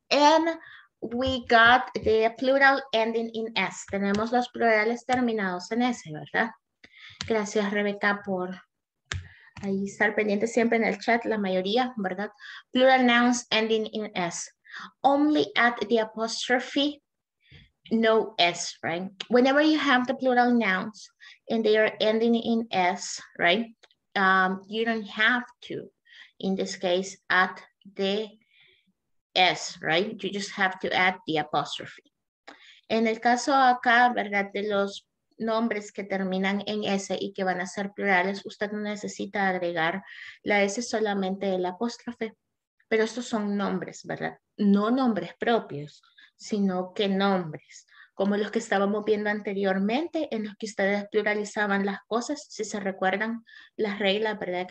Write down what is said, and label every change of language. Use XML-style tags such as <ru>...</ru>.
<en>And we got the plural ending in S.</en> <es>Tenemos los plurales terminados en S, ¿verdad? Gracias, Rebeca, por ahí estar pendiente siempre en el chat, la mayoría, ¿verdad?</es> <en>Plural nouns ending in S. Only at the apostrophe, no S, right? Whenever you have the plural nouns and they are ending in S, right? You don't have to, in this case, at the S, right? You just have to add the apostrophe.</en> <es>En el caso acá, ¿verdad? De los nombres que terminan en S y que van a ser plurales, usted no necesita agregar la S, solamente el apóstrofe. Pero estos son nombres, ¿verdad? No nombres propios, sino que nombres, como los que estábamos viendo anteriormente, en los que ustedes pluralizaban las cosas, si se recuerdan las reglas, ¿verdad?</es>